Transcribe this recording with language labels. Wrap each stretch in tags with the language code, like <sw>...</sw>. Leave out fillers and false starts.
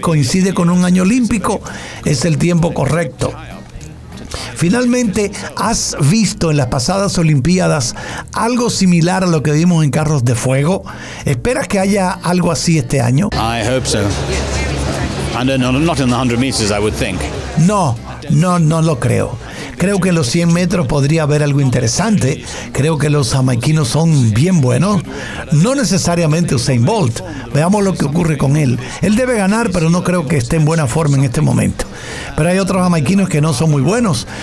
<es>Coincide con un año olímpico. Es el tiempo correcto. Finalmente, ¿has visto en las pasadas Olimpiadas algo similar a lo que vimos en Carros de Fuego? ¿Esperas que haya algo así este año?</es> <en>I hope so. And not in the 100 meters, I would think.</en> <es>No lo creo. Creo que en los 100 metros podría haber algo interesante. Creo que los jamaiquinos son bien buenos. No necesariamente Usain Bolt. Veamos lo que ocurre con él. Él debe ganar, pero no creo que esté en buena forma en este momento. Pero hay otros jamaiquinos que no son muy buenos.</es>